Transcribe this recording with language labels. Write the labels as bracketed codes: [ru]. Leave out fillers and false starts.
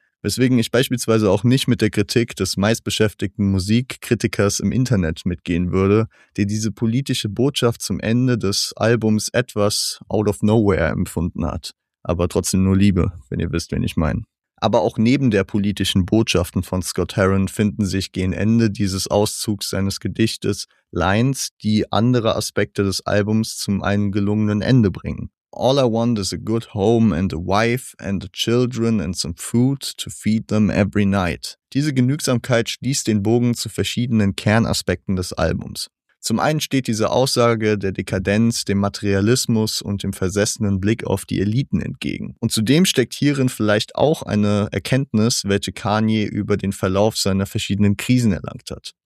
[de] Weswegen ich beispielsweise auch nicht mit der Kritik des meistbeschäftigten Musikkritikers im Internet mitgehen würde, der diese politische Botschaft zum Ende des Albums etwas [en] out of nowhere [de] empfunden hat. Aber trotzdem nur Liebe, wenn ihr wisst, wen ich meine. Aber auch neben der politischen Botschaften von Scott-Heron finden sich gegen Ende dieses Auszugs seines Gedichtes Lines, die andere Aspekte des Albums zum einen gelungenen Ende bringen. [en] All I want is a good home and a wife and the children and some food to feed them every night. [de] Diese Genügsamkeit schließt den Bogen zu verschiedenen Kernaspekten des Albums. Zum einen steht diese Aussage der Dekadenz, dem Materialismus und dem versessenen Blick auf die Eliten entgegen. Und zudem steckt hierin vielleicht auch eine Erkenntnis, welche Kanye über den Verlauf seiner verschiedenen Krisen erlangt hat.